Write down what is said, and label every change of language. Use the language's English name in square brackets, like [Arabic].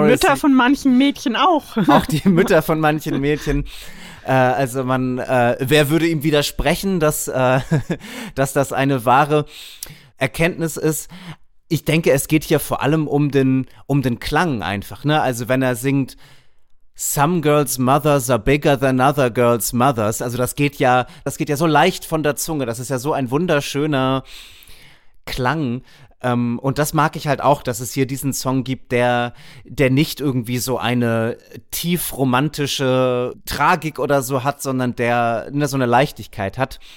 [German] Und die Mütter von manchen Mädchen auch. Auch die Mütter von manchen Mädchen. Wer würde ihm widersprechen, dass das eine wahre Erkenntnis ist? Ich denke, es geht hier vor allem um den Klang einfach, ne? Also wenn er singt, [English] Some girls' mothers are bigger than other girls' mothers. [German] Also das geht ja so leicht von der Zunge. Das ist ja so ein wunderschöner Klang. Und das mag ich halt auch, dass es hier diesen Song gibt, der nicht irgendwie so eine tief romantische Tragik oder so hat, sondern der so eine Leichtigkeit hat.